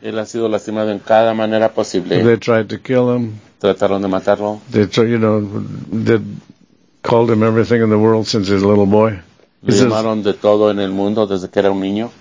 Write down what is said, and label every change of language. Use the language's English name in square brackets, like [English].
[Spanish] Él ha sido lastimado en cada manera posible. [English] They tried to kill him. [Spanish] Trataron de matarlo. [English] They called him everything in the world since he's a little boy. [Spanish] Le llamaron de todo en el mundo desde que era un niño.